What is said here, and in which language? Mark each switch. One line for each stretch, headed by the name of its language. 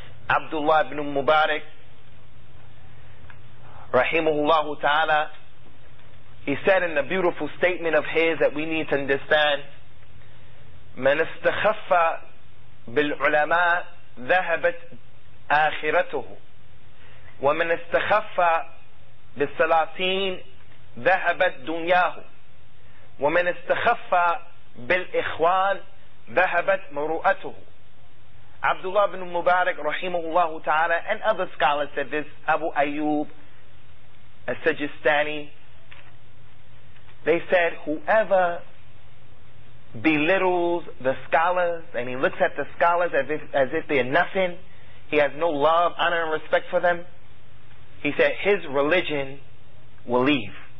English: Abdullah ibn Mubarak rahimahullahu ta'ala, he said in a beautiful statement of his that we need to understand,
Arabic: من استخف بالعلماء ذهبت آخرته. ومن استخف بالسلاطين ذهبت دنياه ومن استخف بالإخوان ذهبت مروءته.
English: Abdullah ibn Mubarak rahimahullah ta'ala and other scholars said this, Abu Ayyub al-Sijistani, they said whoever belittles the scholars and he looks at the scholars as if they're nothing, he has no love, honor and respect for them, he said his religion will leave.